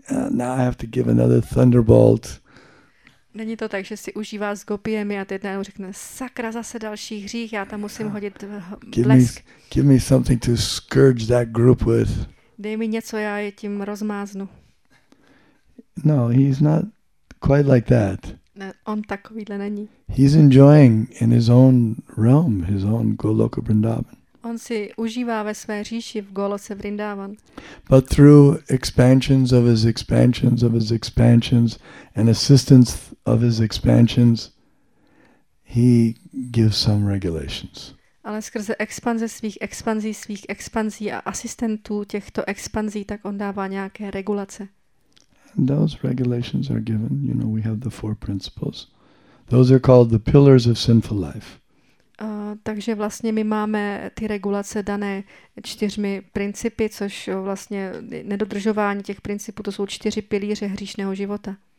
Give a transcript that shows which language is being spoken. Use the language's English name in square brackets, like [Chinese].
[English] Now I have to give another thunderbolt. [Czech] Není to tak, že si užívá s gopiemi a teď najednou řekne, sakra, zase další hřích, já tam musím hodit blesk. [English] Give me something to scourge that group with. [Czech] Dej mi něco, já je tím rozmáznu. [English] No, he's not quite like that. [Czech] Ne, on takovýhle není. [English] He's enjoying in his own realm, his own Goloka Vrindavan. [Czech] On si užívá ve své říši v Goloce Vrindavan. [English] But through expansions of his expansions of his expansions and assistance of his expansions, he gives some regulations. [Czech] Ale skrze expanze svých expanzí a asistentů těchto expanzí, tak on dává nějaké regulace. [English] And those regulations are given, you know, we have the four principles. Those are called the pillars of sinful life. [Czech] Takže vlastně my máme ty regulace dané čtyřmi principy, což vlastně nedodržování těch principů, to jsou čtyři pilíře hříšného života.